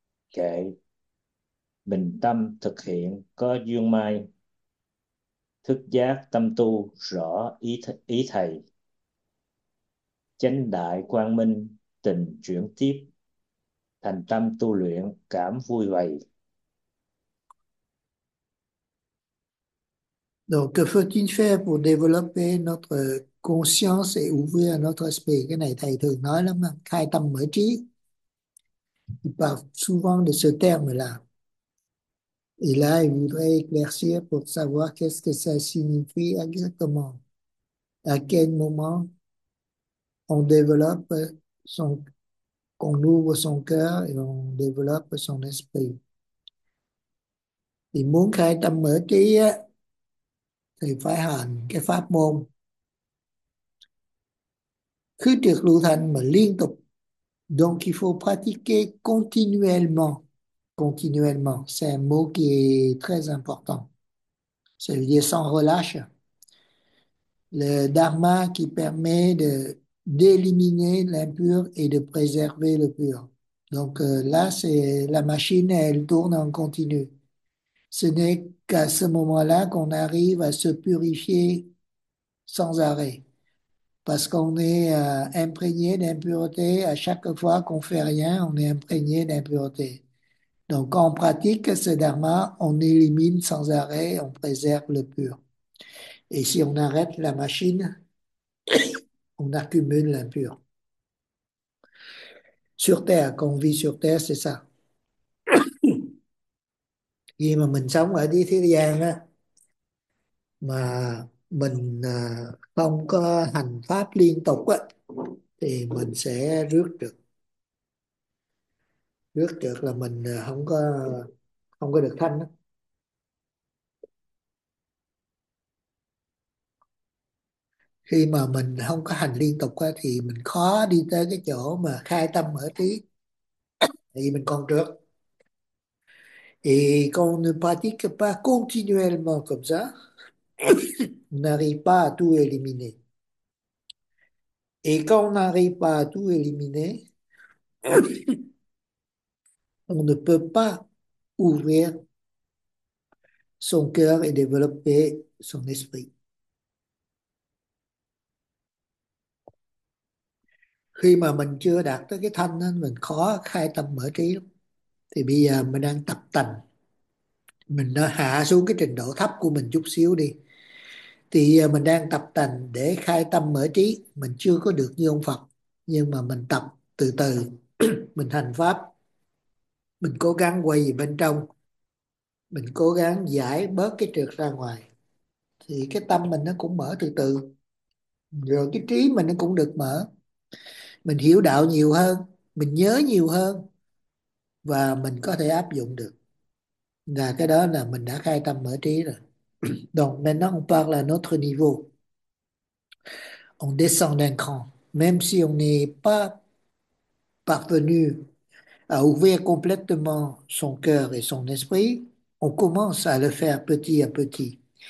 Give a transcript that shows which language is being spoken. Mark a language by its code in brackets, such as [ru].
[vi] Kệ bình tâm thực hiện có duyên mai, thức giác tâm tu rõ ý thầy, chánh đại quang minh tình chuyển tiếp, thành tâm tu luyện cảm vui vầy. [fr] Donc, que faut-il faire pour développer notre conscience et ouvrir notre esprit? [vi] Cái này thầy thường nói lắm, khai tâm mở trí. [fr] Il parle souvent de ce terme-là. Et là, il voudrait éclaircir pour savoir qu'est-ce que ça signifie exactement. À quel moment on développe son, qu'on ouvre son cœur et on développe son esprit. [vi] Il muốn khai tâm mở trí á, thì phải hành cái pháp môn khứ trực lưu thanh mà liên tục. [fr] Donc il faut pratiquer continuellement. Continuellement, c'est un mot qui est très important. Ça veut dire sans relâche. Le dharma qui permet de d'éliminer l'impur et de préserver le pur. Donc là, c'est la machine, elle tourne en continu. Ce n'est qu'à ce moment-là qu'on arrive à se purifier sans arrêt, parce qu'on est imprégné d'impureté à chaque fois qu'on fait rien, on est imprégné d'impureté. Donc quand on pratique ce dharma, on élimine sans arrêt, on préserve le pur. Et si on arrête la machine, on accumule l'impur. Sur Terre, quand on vit sur Terre, c'est ça. [vi] Khi mà mình sống ở dưới thế gian á, mà mình không có hành pháp liên tục á, thì mình sẽ rước trượt. Rước trượt là mình không có được thanh á. Khi mà mình không có hành liên tục á, thì mình khó đi tới cái chỗ mà khai tâm mở trí, thì mình còn trượt. [fr] Et quand on ne pratique pas continuellement comme ça, on n'arrive pas à tout éliminer. Et quand on n'arrive pas à tout éliminer, on ne peut pas ouvrir son cœur et développer son esprit. [vi] Khi mà mình chưa đạt tới cái thanh, nên mình khó khai tâm mở trí. Thì bây giờ mình đang tập tành, mình đã hạ xuống cái trình độ thấp của mình chút xíu đi, thì mình đang tập tành để khai tâm mở trí, mình chưa có được như ông Phật, nhưng mà mình tập từ từ, mình hành pháp, mình cố gắng quay về bên trong, mình cố gắng giải bớt cái trượt ra ngoài, thì cái tâm mình nó cũng mở từ từ, rồi cái trí mình nó cũng được mở, mình hiểu đạo nhiều hơn, mình nhớ nhiều hơn, và mình có thể áp dụng được. Là cái đó là mình đã khai tâm mở trí rồi. [fr] Donc maintenant on parle à notre niveau. On descend d'un cran. Même si on n'est pas parvenu à ouvrir complètement son cœur et son esprit, on commence à le faire petit à petit.